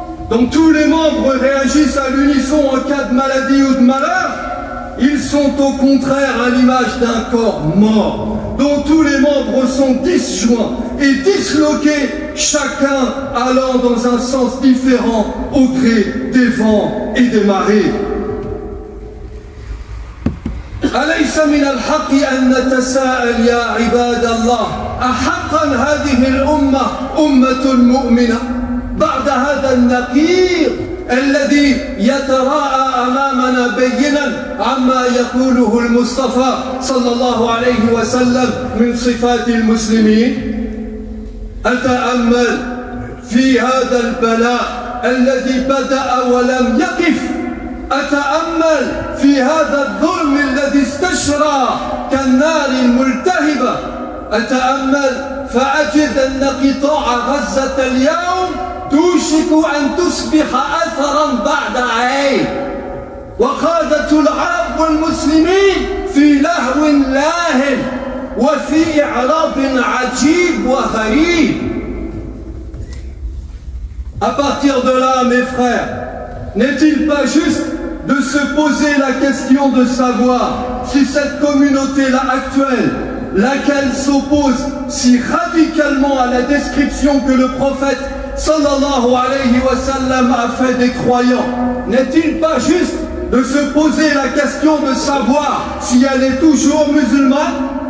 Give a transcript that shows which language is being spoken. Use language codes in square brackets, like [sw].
[fr] dont tous les membres réagissent à l'unisson en cas de maladie ou de malheur, ils sont au contraire à l'image d'un corps mort, dont tous les membres sont disjoints et disloqués, chacun allant dans un sens différent au gré des vents et des marées. [ar] أليس من الحق أن نتساءل يا عباد الله أحقا هذه الأمة أمة مؤمنة بعد هذا النقيض الذي يتراءى أمامنا بينا عما يقوله المصطفى صلى الله عليه وسلم من صفات المسلمين؟ أتأمل في هذا البلاء الذي بدأ ولم يقف، أتأمل في هذا الظلم الذي استشرى كالنار الملتهبة، أتأمل فأجد أن قطاع غزة اليوم توشك أن تصبح أثرا بعد عين، وقادة العرب والمسلمين في لهو لاهن وفي إعراض عجيب وغريب. [fr] À partir de là, mes frères, n'est-il pas juste de se poser la question de savoir si cette communauté-là actuelle, laquelle s'oppose si radicalement à la description que le prophète sallallahu alayhi wa sallam a fait des croyants, n'est-il pas juste de se poser la question de savoir si elle est toujours musulmane?